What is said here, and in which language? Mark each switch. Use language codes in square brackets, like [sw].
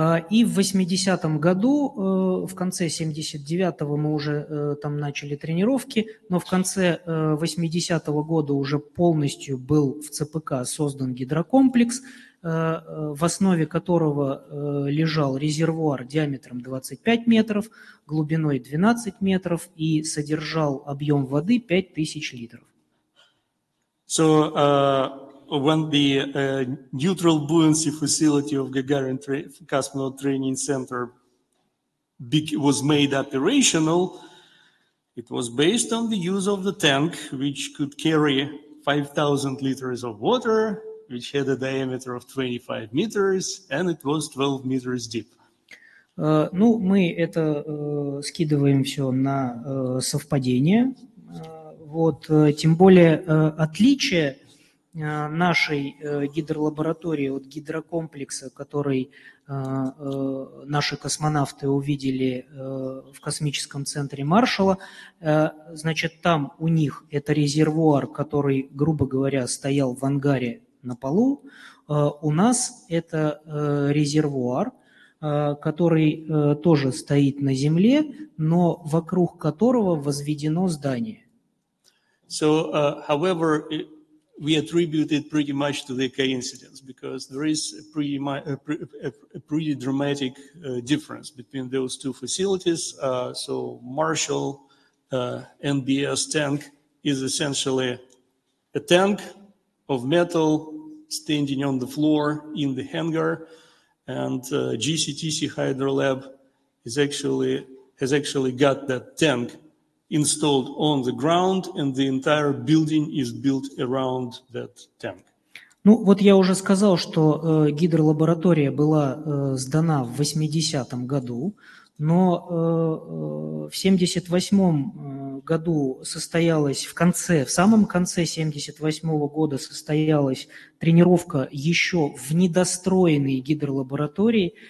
[ru] И в 80-м году, в конце 79-го мы уже там начали тренировки, но в конце 80-го года уже полностью был в ЦПК создан гидрокомплекс, в основе которого лежал резервуар диаметром 25 метров, глубиной 12 метров и содержал объем воды 5000 литров. [en] So, when the neutral buoyancy facility of Gagarin Cosmonaut Training Center was made operational, it was based on the use of the tank, which could carry 5,000 liters of water, which had a diameter of 25 meters, and it was 12 meters deep. [ru] Ну, мы это скидываем все на совпадение. Вот, тем более отличие нашей гидролаборатории от гидрокомплекса, который наши космонавты увидели в космическом центре Маршалла. Значит, там у них это резервуар, который, грубо говоря, стоял в ангаре на полу. У нас это резервуар, который тоже стоит на земле, но вокруг которого возведено здание. [en] So, however, we attribute it pretty much to the coincidence, because there is a pretty dramatic difference between those two facilities. So Marshall NBS tank is essentially a tank of metal standing on the floor in the hangar, and GCTC Hydrolab has actually got that tank installed on the ground, and the entire building is built around that tank. [ru] Ну, вот я уже сказал, что гидролаборатория была сдана в 80-м году, но в 78-м году состоялась в самом конце 78-го года состоялась тренировка еще в недостроенной гидролаборатории.